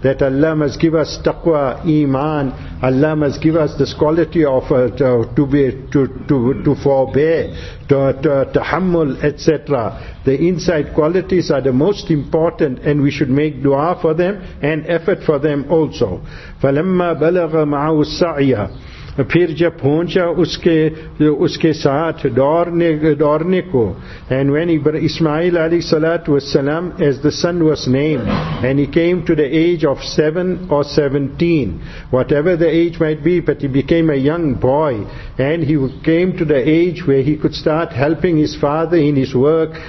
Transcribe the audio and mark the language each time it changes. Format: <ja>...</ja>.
<en>That Allah must give us taqwa, iman. Allah must give us this quality of to forbear, to tahammul, etc. The inside qualities are the most important, and we should make dua for them and effort for them also.</en> <ar>فَلَمَّا بَلَغَ مَعَهُ السَّعْيَ.</ar> <ur>پھر جب پہنچا اس کے ساتھ دورنے کو.</ur> <en>And when Ismail alayhi salatu wasalam, as the son was named, and he came to the age of 7 or 17, whatever the age might be, but he became a young boy, and he came to the age where he could start helping his father in his work.</en>